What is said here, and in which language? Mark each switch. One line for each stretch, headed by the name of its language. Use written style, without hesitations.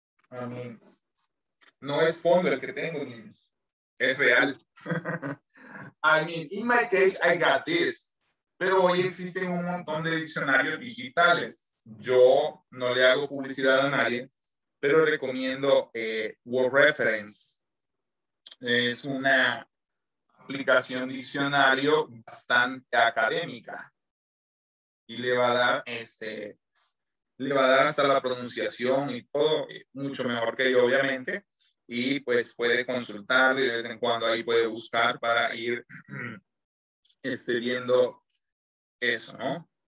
English: I mean,
Spanish: no es fondo el que tengo, niños. Es real.
English: I mean, in my case, I got this.
Spanish: Pero hoy existen un montón de diccionarios digitales. Yo no le hago publicidad a nadie, pero recomiendo Word Reference. Es una aplicación diccionario bastante académica y le va a dar hasta la pronunciación y todo mucho mejor que yo, obviamente, y pues puede consultar y de vez en cuando ahí puede buscar para ir viendo eso, ¿no?